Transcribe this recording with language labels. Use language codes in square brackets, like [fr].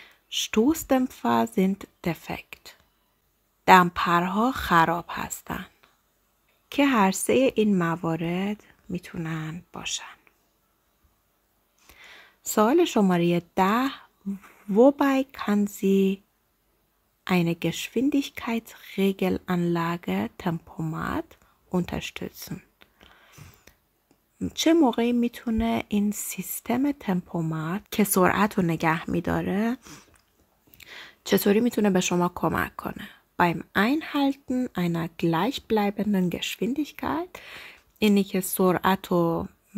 [de] Stoßdämpfer sind defekt. [fa] دمپرها خراب هستن. که هر سه این موارد میتونن باشن. سوال شماره 10. [de] Wobei kann sie eine Geschwindigkeitsregelanlage Tempomat unterstützen? [fa] چه موقعی میتونه این سیستم تمپومات که سرعت رو نگه میداره چطوری میتونه به شما کمک کنه؟ [de] beim Einhalten einer gleichbleibenden Geschwindigkeit، [fa] اینی که سرعت رو